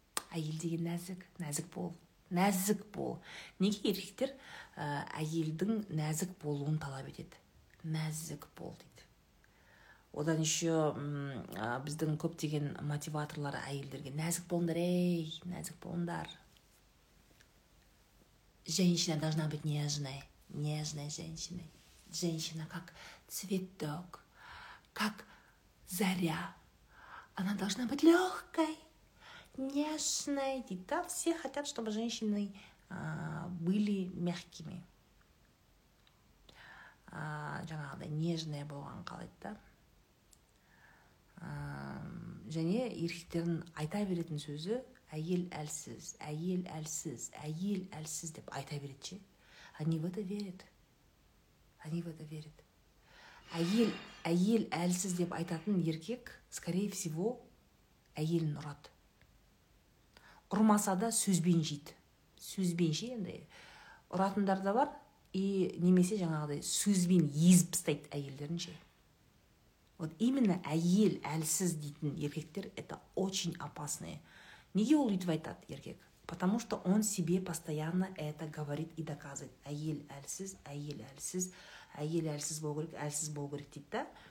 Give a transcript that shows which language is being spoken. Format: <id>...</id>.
<kk>Айел деген нәзік, нәзік бол. Нәзік бол. Неге еректер айелдің нәзік болуын талап етеді? Нәзік бол, дейді. Одан еще біздің көп деген мотиваторлары айелдерге. Нәзік болындар, эй, нәзік болындар.</kk> <ru>Женщина должна быть нежной. Нежной женщиной. Женщина как цветок, как заря. Она должна быть легкой, нежной. Да, все хотят, чтобы женщины были мягкими.</ru> <kk>Жаңағыдай нежная болған қалайды, да? Және еркектердің айта беретін сөзі әйел әлсіз, әйел әлсіз, әйел әлсіз деп айта береді ше.</kk> <ru>Они в это верят.</ru> <kk>Они в это верят. Әйел, әйел әлсіз деп айтатын еркек,</kk> <ru>скорее всего,</ru> <kk>әйелін ұрады. Ұрмаса да сөзбен жейді. Сөзбен жейді. Ұратындар да бар. И немесе жаңағыдай сөзбен езіп тастайды әйелдерін же.</kk> <ru>Вот именно</ru> <kk>әйел әлсіз дейтін еркектер,</kk> <ru>это очень опасные.</ru> <kk>Неге ол үйтіп айтады еркек?</kk> <ru>Потому что он себе постоянно это говорит и доказывает.</ru> <kk>Әйел әлсіз, әйел әлсіз, әйел әлсіз болу керек, әлсіз болу керек дейді да.</kk>